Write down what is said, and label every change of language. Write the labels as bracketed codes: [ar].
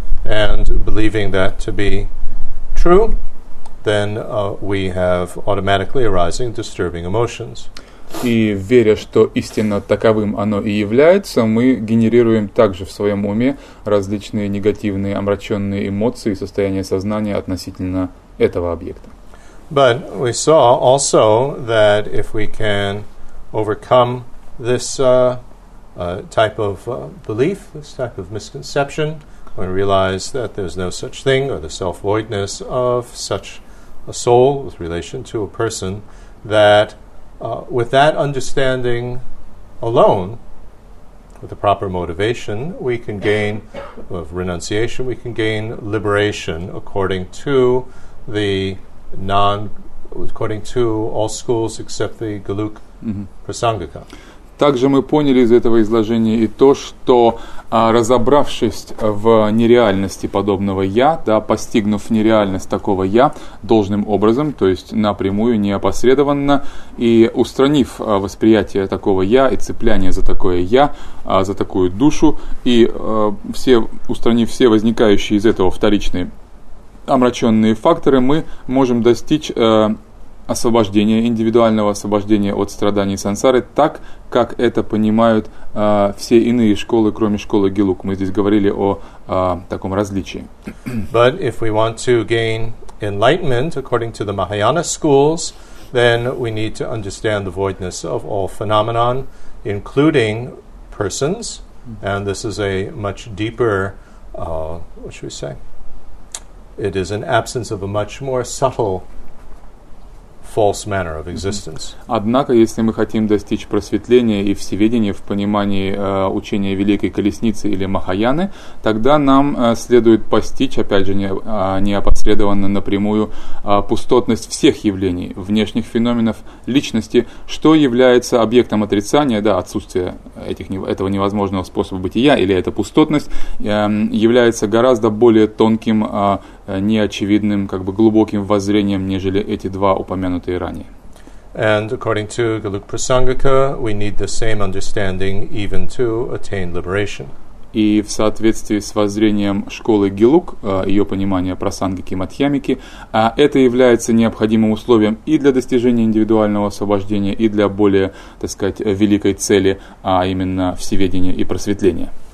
[en] And believing that to be true, then we have automatically arising disturbing emotions. [ru] И веря, что истинно таковым оно и является, мы генерируем также в своем уме различные негативные, омраченные эмоции и состояние сознания относительно этого объекта. [en] But we saw also that if we can overcome this type of belief, this type of misconception, when we realize that there's no such thing or the self-voidness of such a soul with relation to a person, that with that understanding alone, with the proper motivation, we can gain of renunciation, we can gain liberation according to the according to all schools except the Galuk Prasangika. [ru] Также мы поняли из этого изложения и то, что разобравшись в нереальности подобного «я», да, постигнув нереальность такого «я» должным образом, то есть напрямую, неопосредованно, и устранив восприятие такого «я» и цепляние за такое «я», за такую душу, и все, устранив все возникающие из этого вторичные омраченные факторы, мы можем достичь освобождение индивидуального освобождения от страданий сансары так, как это понимают все иные школы, кроме школы Гелук. Мы здесь говорили о таком различии. [en] But if we want to gain enlightenment according to the Mahayana schools, then we need to understand the voidness of all phenomena, including persons, And this is a much deeper, what should we say? It is an absence of a much more subtle false manner of existence. [ru] Однако, если мы хотим достичь просветления и всеведения в понимании учения Великой Колесницы или Махаяны, тогда нам следует постичь, опять же, не опосредованно напрямую, пустотность всех явлений, внешних феноменов личности, что является объектом отрицания, да, отсутствие этого невозможного способа бытия, или эта пустотность является гораздо более тонким, неочевидным, как бы глубоким воззрением, нежели эти два упомянутые ранее. [en] And according to Galuk Prasangika, we need the same understanding even to attain liberation. [ru] И в соответствии с воззрением школы Гилук, ее понимание Прасангики Мадхьямики, это является необходимым условием и для достижения индивидуального освобождения, и для более, так сказать, великой цели, а именно всеведения и просветления.